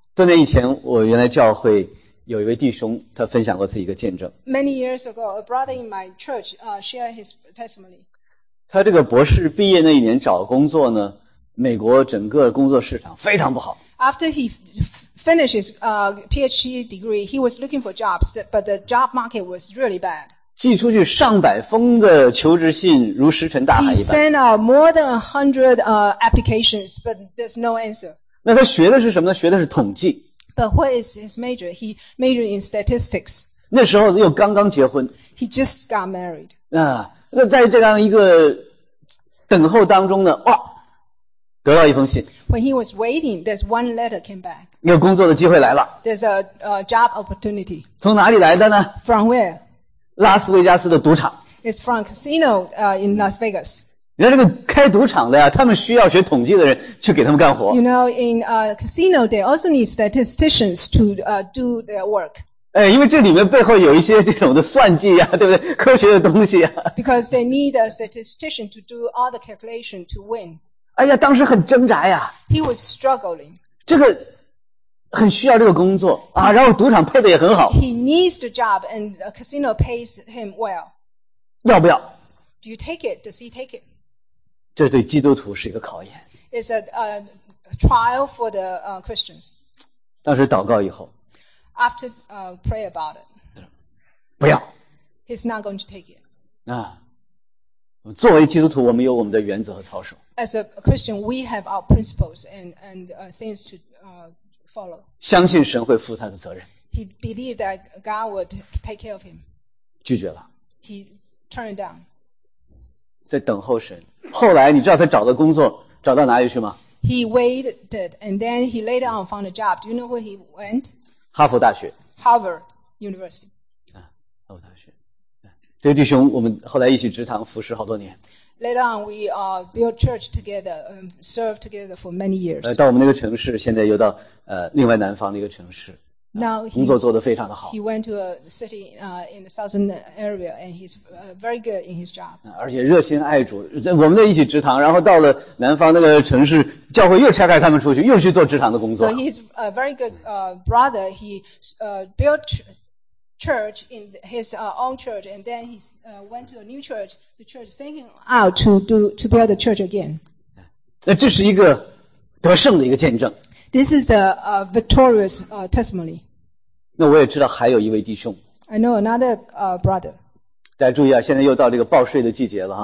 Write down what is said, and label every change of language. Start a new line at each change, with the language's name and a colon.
Chinese: 多年以前，我原来教会有一位弟兄，他分享过自己的见证。
English: Many years ago, a brother in my church shared his testimony.
Chinese: 他这个博士毕业那一年找工作呢？美国整个工作市场非常不好。
English: After he finishes PhD degree, he was looking for jobs, but the job market was really bad.
Chinese: 寄出去上百封的求职信如石沉大海一般。
English: He sent out more than 100 applications, but there's no answer.
Chinese: 那他学的是什么呢？学的是统计。
English: But what is his major? He majored in statistics.
Chinese: 那时候又刚刚结婚。
English: He just got married.
Chinese: 那在这样一个等候当中呢，哇！得到一封信。
English: When he was waiting, there's one letter came back.
Chinese: 有工作的机会来了。
English: There's a job opportunity.
Chinese: 从哪里来的呢？
English: From where?
Chinese: 拉斯维加斯的赌场。
English: It's from casino in Las Vegas.
Chinese: 你看这个开赌场的呀，他们需要学统计的人去给他们干活。
English: You know, in casino, they also need statisticians to do their work.
Chinese: 哎，因为这里面背后有一些这种的算计呀，对不对？科学的东西呀。
English: Because they need a statistician to do all the calculation to win.
Chinese: 哎呀，当时很挣扎呀。
English: He was struggling.
Chinese: 这个很需要这个工作啊，然后赌场配的也很好。
English: He needs the job and a casino pays him well.
Chinese: 要不要？
English: Do you take it? Does he take it?
Chinese: 这对基督徒是一个考验。
English: It's a trial for the Christians.
Chinese: 当时祷告以后。
English: After pray about it.
Chinese: 不要。
English: He's not going to take it.
Chinese: 啊。作为基督徒，我们有我们的原则和操守。
English: As a Christian, we have our principles and things to follow.
Chinese: 相信神会负他的责任。
English: He believed that God would take care of him.
Chinese: 拒绝了。
English: He turned it down.
Chinese: 在等候神。后来你知道他找的工作找到哪里去吗？
English: He waited and then he later on found a job. Do you know where he went?
Chinese: 哈佛大学。
English: Harvard University.
Chinese: 啊，哈佛大学。这个弟兄，我们后来一起职堂服侍好多年。
English: Later on, we built church together, served together for many years.
Chinese: 到我们那个城市，现在又到另外南方的一个城市。
English: Now
Chinese: 工作做得非常的好。
English: He went to a city in the southern area, and he's very good in his job.
Chinese: 而且热心爱主，我们在一起职堂，然后到了南方那个城市，教会又拆开他们出去，又去做职堂的工作。
English: So he's a very good brother. He built. Church in his own church, and then he went to a new church. The church sent him out to build the church again.
Chinese: 那这是一个得胜的一个见证。
English: This is a victorious testimony.
Chinese: 那我也知道还有一位弟兄。
English: I know another brother.
Chinese: 大家注意啊，现在又到这个报税的季节了哈。